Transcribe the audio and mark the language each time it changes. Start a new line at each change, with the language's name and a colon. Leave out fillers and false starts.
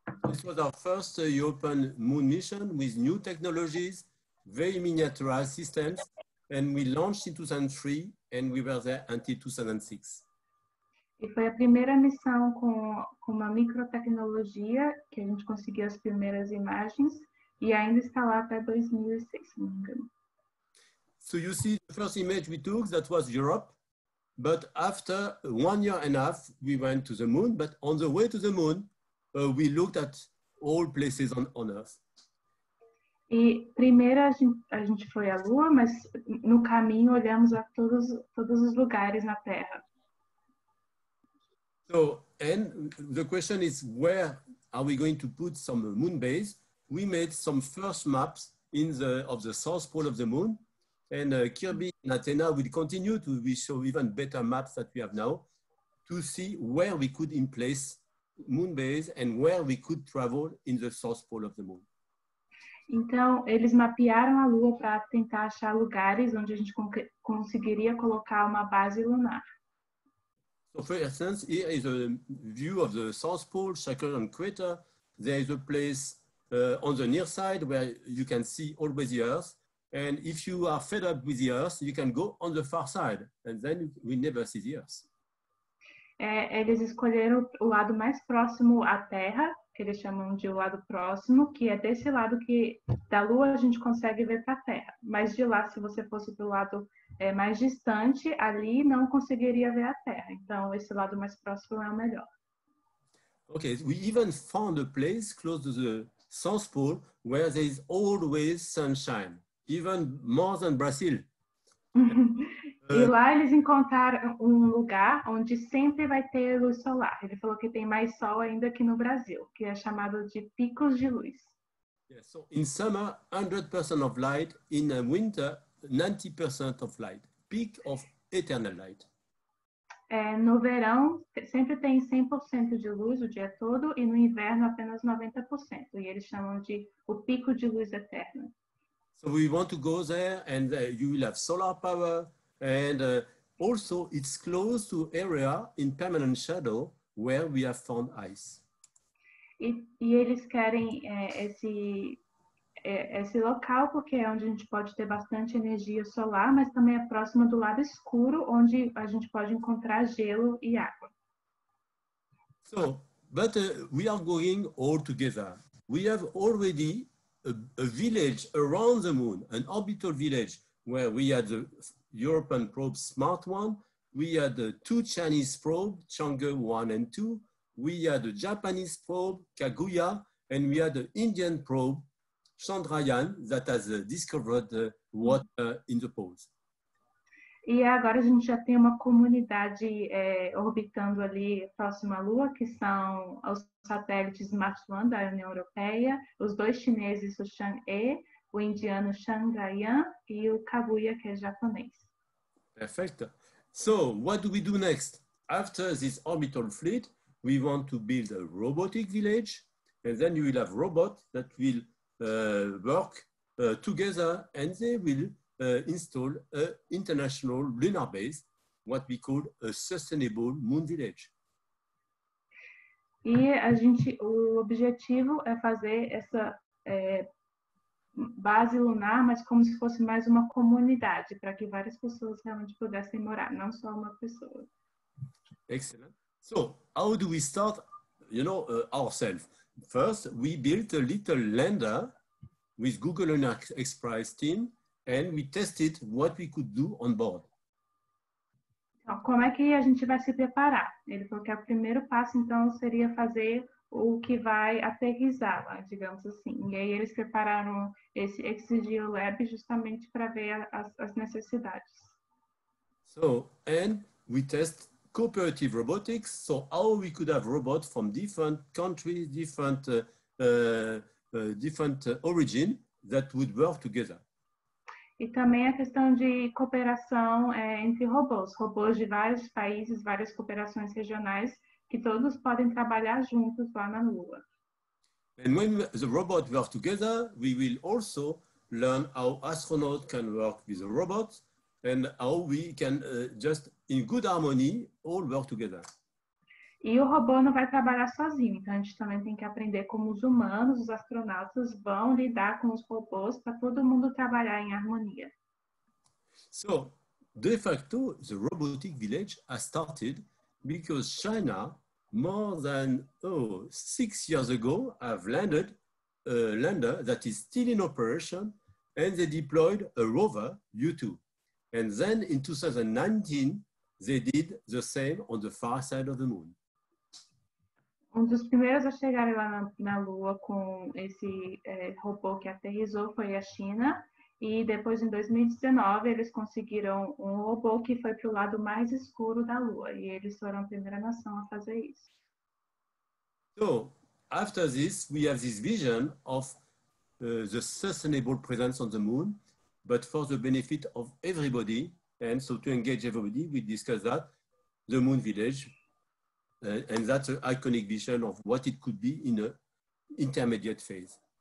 English: This was our first European moon mission with new technologies, very miniaturized systems, and we launched in 2003, and we were there until 2006.
Portuguese: E foi a primeira missão com uma microtecnologia que a gente conseguiu as primeiras imagens e ainda está lá até 2006, se não me engano.
English: So you see the first image we took, that was Europe, but after 1 year and a half, we went to the moon, but on the way to the moon, we looked at all places on Earth.
Portuguese: E primeiro a gente foi à Lua, mas no caminho olhamos a todos os lugares na Terra.
English: So, and the question is, where are we going to put some moon base? We made some first maps of the south pole of the moon, and Kirby and Athena will continue to show even better maps that we have now to see where we could in place moon base and where we could travel in the south pole of the moon.
Portuguese: Então, eles mapearam a Lua para tentar achar lugares onde a gente conseguiria colocar uma base lunar.
English: So for instance, here is a view of the South Pole, circle and equator. There is a place on the near side where you can see always the Earth. And if you are fed up with the Earth, you can go on the far side, and then we never see the Earth.
Portuguese: Eles escolheram o lado mais próximo à Terra, que eles chamam de lado próximo, que é desse lado que da Lua a gente consegue ver para a Terra. Mas de lá, se você fosse para o lado mais distante, ali não conseguiria ver a Terra. Então, esse lado mais próximo é o melhor.
English: Okay, we even found a place close to the South Pole where there is always sunshine, even more than Brazil.
Portuguese: E lá eles encontraram um lugar onde sempre vai ter luz solar. Ele falou que tem mais sol ainda que no Brasil, que é chamado de picos de luz.
English: Yeah, so in summer, 100% of light. In winter, 90% of light. Peak of eternal light.
Portuguese: No verão, sempre tem 100% de luz o dia todo e no inverno, apenas 90%. E eles chamam de o pico de luz eterno.
English: So we want to go there and you will have solar power. And also, it's close to area in permanent shadow where we have found ice.
Portuguese: E eles querem esse local porque é onde a gente pode ter bastante energia solar, mas também é próximo do lado escuro onde a gente pode encontrar gelo e água.
English: So, but we are going all together. We have already a village around the moon, an orbital village where we had the European probe Smart One, we had the two Chinese probe, Chang'e 1 and 2, we had the Japanese probe, Kaguya, and we had the Indian probe, Chandrayaan, that has discovered water in the poles.
Portuguese: E agora a gente já tem uma comunidade orbitando ali próximo à Lua, que são os satélites Mars One da União Europeia, os dois chineses, o Chang'e, o indiano Chandrayaan e o Kaguya, que é japonês. Perfeito.
English: So, what do we do next? After this orbital fleet, we want to build a robotic village, and then you will have robots that will work together, and they will install an international lunar base, what we call a sustainable moon village.
Portuguese: E a gente, o objetivo é fazer essa base lunar, mas como se fosse mais uma comunidade, para que várias pessoas realmente pudessem morar, não só uma pessoa.
English: Excellent. So, how do we start, you know, ourselves? First, we built a little lander with Google and XPRIZE team, and we tested what we could do on board.
Portuguese: Então, como é que a gente vai se preparar? Ele falou que o primeiro passo, então, seria fazer o que vai aterrizar, digamos assim. E aí eles prepararam esse ExGeoLab justamente para ver as necessidades.
English: So, and we test cooperative robotics, so how we could have robots from different countries, different origin that would work together.
Portuguese: E também a questão de cooperação entre robôs, robôs de vários países, várias cooperações regionais, que todos podem trabalhar juntos lá na Lua.
English: And when the robot work together, we will also learn how astronauts can work with the robots, and how we can just in good harmony all work together.
Portuguese: E o robô não vai trabalhar sozinho, então a gente também tem que aprender como os humanos, os astronautas vão lidar com os robôs para todo mundo trabalhar em harmonia.
English: So, de facto, the robotic village has started because China, more than 6 years ago, have landed a lander that is still in operation, and they deployed a rover, U2. And then in 2019, they did the same on the far side of the moon.
Portuguese: Um dos primeiros a chegar lá na Lua com esse robô que aterrizou foi a China. E depois, em 2019, eles conseguiram um robô que foi para o lado mais escuro da Lua. E eles foram a primeira nação a fazer isso.
English: So, after this, we have this vision of the sustainable presence on the moon, but for the benefit of everybody. And so to engage everybody, we discuss that, the moon village. And that's an iconic vision of what it could be in an intermediate phase.